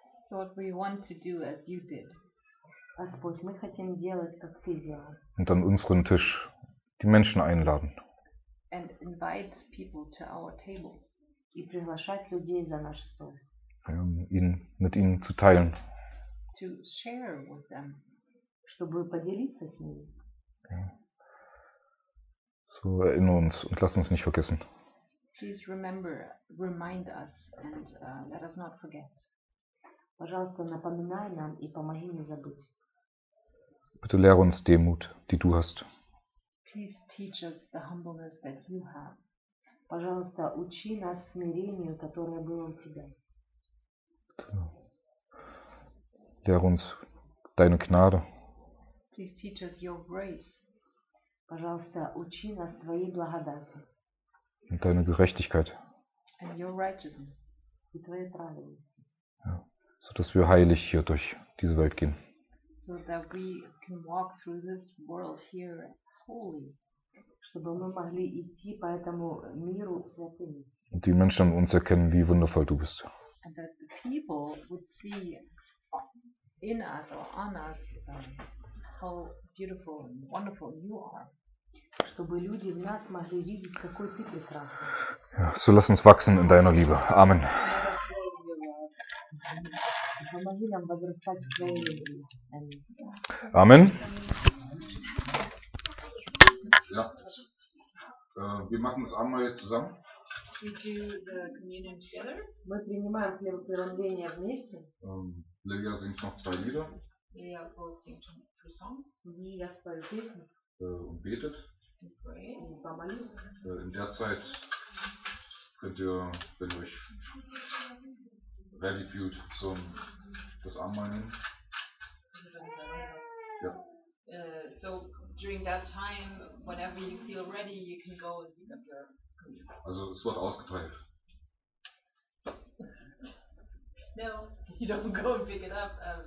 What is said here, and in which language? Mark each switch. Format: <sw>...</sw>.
<en>What we want to do as you did.</en> <ru>Господь, мы хотим делать, как ты делал.</ru> <de>Und an unseren Tisch die Menschen einladen.</de> <en>And invite people to our table.</en> <ru>И приглашать людей за наш стол.</ru> <de>Ja, ihn, mit ihnen zu teilen.</de> <en>To share with them.</en> <ru>Чтобы поделиться с ними.</ru> <de>Ja. So erinnere uns und lass uns nicht vergessen.</de> <en>Please remember, remind us and let us not forget.</en> <ru>Пожалуйста, напоминай нам и помоги не забыть.</ru> <de>Bitte lehre uns Demut, die du hast.</de> <en>Please teach us the humbleness that you have.</en> <ru>Пожалуйста, учи нас смирению, которое было у тебя.</ru> <de>Lehre uns deine Gnade.</de> <en>Please teach us your grace.</en> <ru>Пожалуйста, учи нас своей благодати.</ru> <de>Und deine Gerechtigkeit.</de> <en>And your righteousness.</en> <ru>И твоя праведность.</ru> <de>Ja. So dass wir heilig hier durch diese Welt gehen.</de> <en>So that we can walk through this world here holy.</en> <ru>Чтобы мы могли идти по этому миру святыми.</ru> <de>Und die Menschen an uns erkennen, wie wundervoll du bist.</de> <en>And that the people would see in us or on us how beautiful and wonderful you are.</en> <ru>Чтобы люди в нас могли видеть, какой ты прекрасный.</ru> <de>Ja, so lass uns wachsen in deiner Liebe. Amen.</de> <ru>Помоги нам возрастать в твоей любви. Amen.</ru> <de>Ja. Wir machen das Abendmahl jetzt zusammen.</de> <en>We do the communion together.</en> <ru>Мы принимаем хлебопреломление вместе.</ru> <de>Лилия singt noch zwei Lieder.</de> <en>Lilia will sing two songs.</en> <de>Lilia zwei Lieder. Und betet. In der Zeit könnt ihr, wenn ihr euch ready fühlt, zum das Abendmahl nehmen. Ja.</de> <en>So during that time, whenever you feel ready, you can go and eat up your.</en> <de>Also es wird ausgeteilt.</de> <en>No, you don't go and pick it up.</en>